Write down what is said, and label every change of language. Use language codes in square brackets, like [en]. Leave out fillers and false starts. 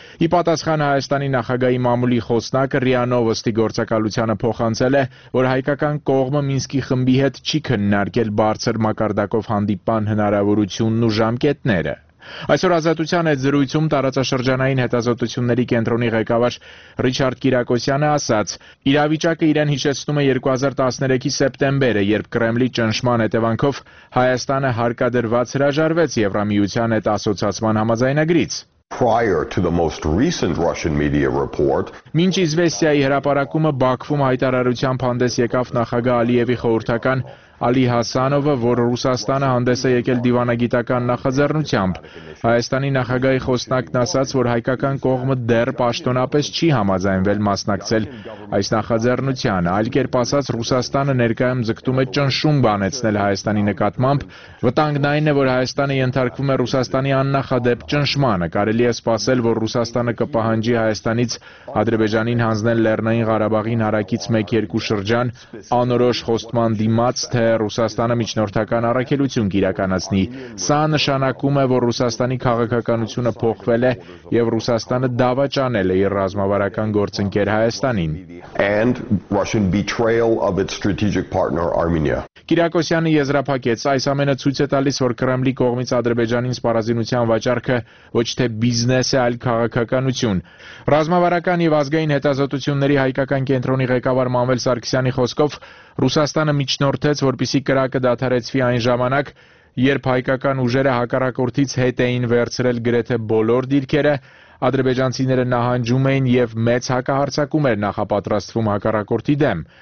[hy] Ի պատասխան Հայաստանի նախագահի մամուլի խոսնակը Ռիանովստի գործակալությանը փոխանցել է, որ հայկական կողմը Մինսկի խմբի հետ չի քննարկել բարձր մակարդակով հանդիպան հնարավորությունն ու ժամկետները։ Այսօր Ազատության այդ զրույցում տարածաշրջանային հետազոտությունների կենտրոնի ղեկավար Ռիչարդ Կիրակոսյանը ասաց. «Իրավիճակը իրեն հիշեցնում է 2013-ի սեպտեմբերը, երբ Կրեմլի ճնշման հետևանքով Հայաստանը հարկադրված հրաժարվեց Եվրամիության այդ ասոցիացիան համաձայնագրից»։ [en] Prior to the most recent Russian media report, [hy] մինչ Իզվեստիայի հրապարակումը Բաքվում հայտարարությամբ հանդես եկավ նախագահ Ալիևի խորհրդական Ալի Հասանովը, որը Ռուսաստանը հանդես է եկել դիվանագիտական նախաձեռնությամբ, Հայաստանի նախագահի խոսնակն ասաց, որ հայկական կողմը դեռ պաշտոնապես չի համաձայնվել մասնակցել այս նախաձեռնության, այլ կերպ ասած, Ռուսաստանը ներկայում ձգտում է ճնշում բանեցնել Հայաստանի նկատմամբ, վտանգնային է, որ Հայաստանը ենթարկվում է Ռուսաստանի աննախադեպ ճնշմանը, կարելի է սպասել, որ Ռուսաստանը կպահանջի Հայաստանից Ադրբեջանին հանձնել Լեռնային Ղարաբաղին հարակից 1-2 շրջան անորոշ խոստման դիմաց, թե Ռուսաստանը միջնորդական առաքելություն կիրականացնի։ Սա նշանակում է, որ Ռուսաստանի քաղաքականությունը փոխվել է եւ Ռուսաստանը դավաճանել է իր ռազմավարական գործընկեր Հայաստանին։ [en] And Russian betrayal of its strategic partner Armenia. [hy] Կիրակոսյանը եզրափակեց, այս ամենը ցույց է տալիս, որ Կրեմլի կողմից Ադրբեջանի սպառազինության վաճառքը ոչ թե բիզնես է, այլ քաղաքականություն։ Ռազմավարական եւ ազգային հետազոտությունների հայկական կենտրոնի ղեկավար Մամվել Սարգսյանի խոսքով Ռուսաստանը միջնորդեց, որպեսզի կրակը դադարեցվի այն ժամանակ, երբ հայկական ուժերը հակառակորդից հետ էին վերցրել գրեթե բոլոր դիրքերը, ադրբեջանցիները նահանջում էին եւ մեծ հակահարցակում էր նախապատրաստվում հակառակորդի դեմ։